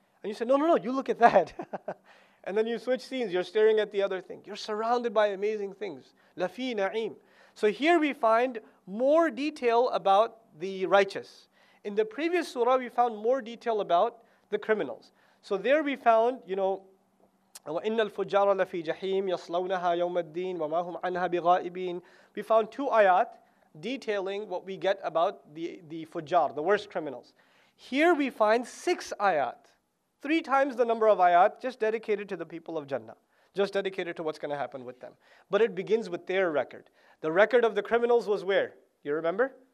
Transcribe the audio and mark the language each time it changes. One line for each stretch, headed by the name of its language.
English: And you say, no, you look at that. And then you switch scenes, you're staring at the other thing. You're surrounded by amazing things. Lafi na'im. So here we find more detail about the righteous. In the previous surah, we found more detail about the criminals. So there we found, you know,
Arabic: وَإِنَّ الْفُجَّارَ لَفِي جَحِيمٍ يَصْلَوْنَهَا يَوْمَ الدِّينِ وَمَا هُمْ عَنْهَا بِغَائِبِينَ.
English: We found two ayat detailing what we get about the fujjar, the worst criminals. Here we find six ayat, three times the number of ayat, just dedicated to the people of Jannah, just dedicated to what's going to happen with them. But it begins with their record. The record of the criminals was where? You remember?